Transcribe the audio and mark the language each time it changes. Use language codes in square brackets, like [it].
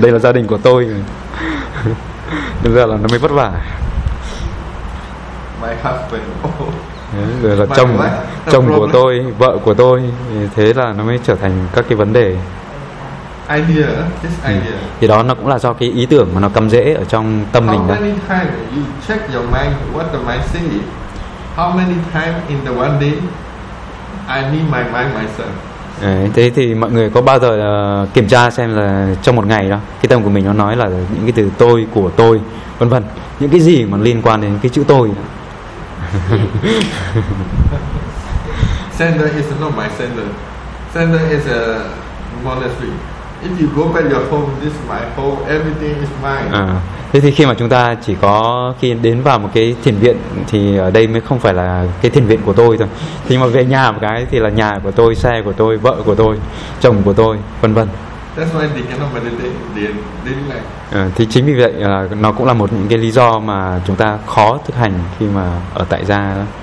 [vi] Đây là gia đình của tôi. Đúng ra là nó mới vất vả. [en] My husband. [vi] Đấy, rồi là chồng của tôi, vợ của tôi, thế là nó mới trở thành các cái vấn đề. [en] Idea, this idea. [vi] Thì đó nó cũng là do cái ý tưởng mà nó cắm rễ ở trong tâm [en] how [vi] mình đó. [en] How many times you check your mind, what the mind say? How many times in the one day I need my mind myself? [vi] Đấy, thế thì mọi người có bao giờ kiểm tra xem là trong một ngày đó cái tâm của mình nó nói là những cái từ tôi, của tôi, vân vân, những cái gì mà liên quan đến cái chữ tôi? [en] Center is not my center. Center is a monastery. If you go back your home, this is my home. Everything is mine. [vi] Thế thì khi mà chúng ta chỉ có khi đến vào một cái thiền viện thì ở đây mới không phải là cái thiền viện của tôi thôi. Thì mà về nhà một cái thì là nhà của tôi, xe của tôi, vợ của tôi, chồng của tôi, vân vân. [en] That's why they cannot meditate. [vi] Thì chính vì vậy là nó cũng là một những cái lý do mà chúng ta khó thực hành khi mà ở tại gia.